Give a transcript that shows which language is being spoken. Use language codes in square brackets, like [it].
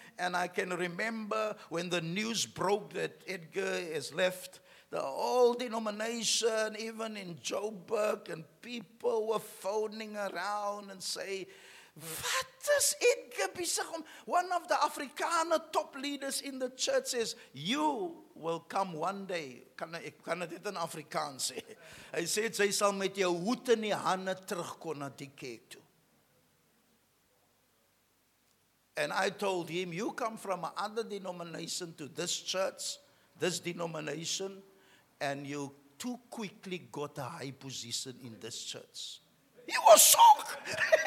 [en] And I can remember when the news broke that Edgar has left the whole denomination, even in Joburg, and people were phoning around and say, what is Edgar Bisagom? One of the Afrikaner top leaders in the church says, you will come one day. [af] Kan dit in Afrikaans sê? Hy sê, sy sal met jou hoed in die hande terugkom na die kerk toe. [en] And I told him, you come from another denomination to this church, this denomination, and you too quickly got a high position in this church. He was shocked.